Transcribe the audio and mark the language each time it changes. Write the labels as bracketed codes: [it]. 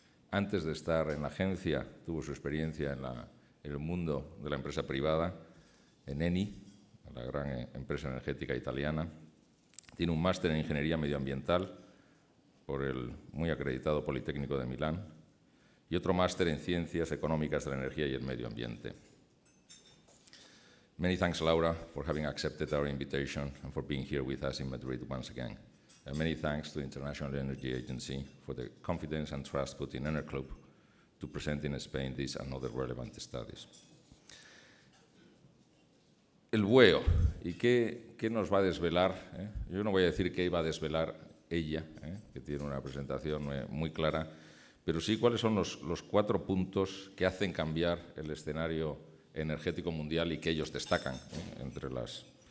[es] Antes de estar en la agencia, tuvo su experiencia en el mundo de la empresa privada, en Eni, la gran empresa energética italiana. Tiene un máster en ingeniería medioambiental por el muy acreditado Politécnico de Milán y otro máster en ciencias económicas de la energía y el medio ambiente. [en] Many thanks, Laura, for having accepted our invitation and for being here with us in Madrid once again. And many thanks to the International Energy Agency for the confidence and trust put in Enerclub to present in Spain these and other relevant studies. [es] El BUEO, ¿y qué nos va a desvelar? Yo no voy a decir qué iba a desvelar ella, que tiene una presentación muy clara, pero sí cuáles son los cuatro puntos que hacen cambiar el escenario energético mundial y que ellos destacan entre las...